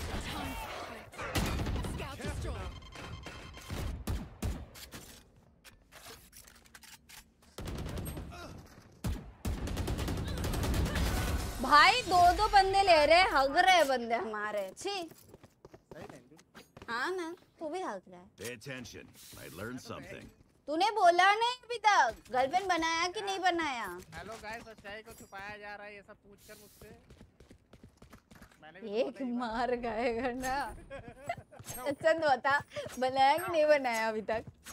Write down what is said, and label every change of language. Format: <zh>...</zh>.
<en>scout destroyed,</en> <hi>भाई दो दो बंदे ले रहे हैं, हग रहे हैं बंदे हमारे। छी हाँ ना, तू भी हग रहा है।</hi> <en>Pay attention, I learned something.</en> <hi>तूने बोला नहीं अभी तक गर्लफ्रेंड बनाया कि नहीं बनाया। हेलो गाइस, सच्चाई को छुपाया जा रहा है ये सब पूछकर मुझसे। एक मार गए करना। अच्छा तो बता, बनाया कि नहीं बनाया अभी तक?</hi>